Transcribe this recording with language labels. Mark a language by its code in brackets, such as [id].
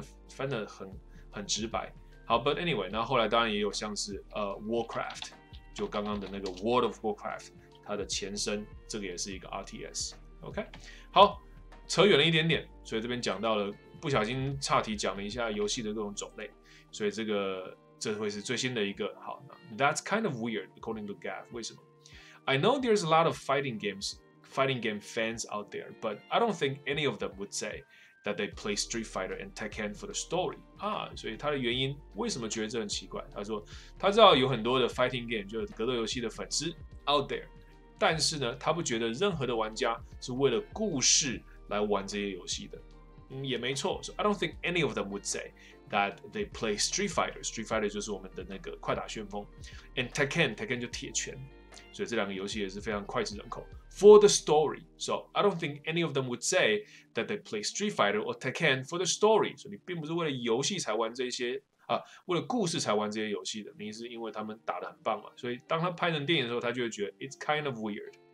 [zh] 翻的很直白。好 ， [en] But anyway， [zh] 那后来当然也有像是Warcraft， 就刚刚的那个 World of Warcraft， 它的前身，这个也是一个 RTS。 OK， 好，扯远了一点点，所以这边讲到了，不小心岔题讲了一下游戏的各种种类，所以这会是最新的一个。好，那 [en] That's kind of weird according to Gav， [zh] 为什么？ [en] I know there's a lot of fighting game fans out there, but I don't think any of them would say that they play Street Fighter and Tekken for the story. [zh] 所以他的原因为什么觉得这很奇怪？他说他知道有很多的 fighting game 就是格斗游戏的粉丝 [en] out there， [zh] 但是呢，他不觉得任何的玩家是为了故事来玩这些游戏的。嗯，也没错。 [en] So I don't think any of them would say that they play Street Fighter. [zh] Street Fighter 就是我们的那个快打旋风 ，and Tekken 就铁拳。所以这两个游戏也是非常脍炙人口。 [en] For the story, so I don't think any of them would say that they play Street Fighter or Tekken for the story. [zh] 所以你并不是为了游戏才玩这些啊，为了故事才玩这些游戏的。你是因为他们打得很棒嘛？所以当他拍成电影的时候，他就会觉得 [en] it's kind of weird.